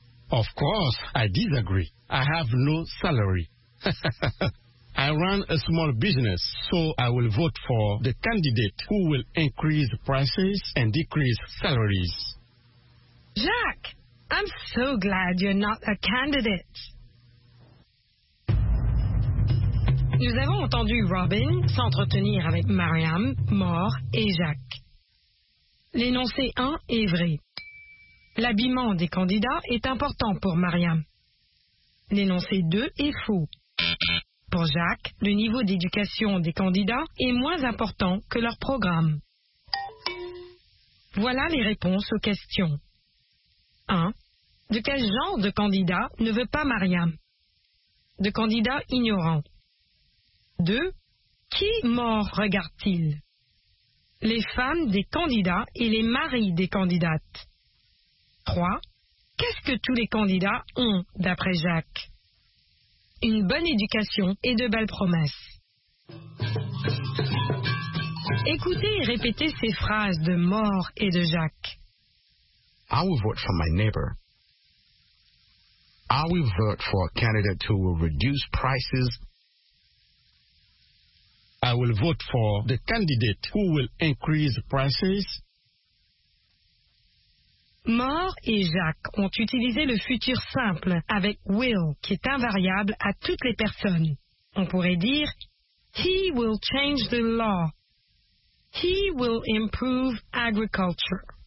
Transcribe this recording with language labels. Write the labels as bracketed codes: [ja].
[en] Of course, I disagree. I have no salary. I run a small business, so I will vote for the candidate who will increase prices and decrease salaries. Jacques, I'm so glad you're not a candidate. [fr] Nous avons entendu Robin s'entretenir avec Mariam, Moore et Jacques. L'énoncé 1 est vrai. L'habillement des candidats est important pour Mariam. L'énoncé 2 est faux. Pour Jacques, le niveau d'éducation des candidats est moins important que leur programme. Voilà les réponses aux questions. 1. De quel genre de candidat ne veut pas Mariam? De candidat ignorant. 2. Qui mort regarde-t-il? Les femmes des candidats et les maris des candidates. 3. Qu'est-ce que tous les candidats ont, d'après Jacques? Une bonne éducation et de belles promesses. Écoutez et répétez ces phrases de Mort et de Jacques. [en] I will vote for my neighbor. I will vote for a candidate who will reduce prices. I will vote for the candidate who will increase prices. [fr] Moore et Jacques ont utilisé le futur simple avec will, qui est invariable à toutes les personnes. On pourrait dire, [en] he will change the law. He will improve agriculture.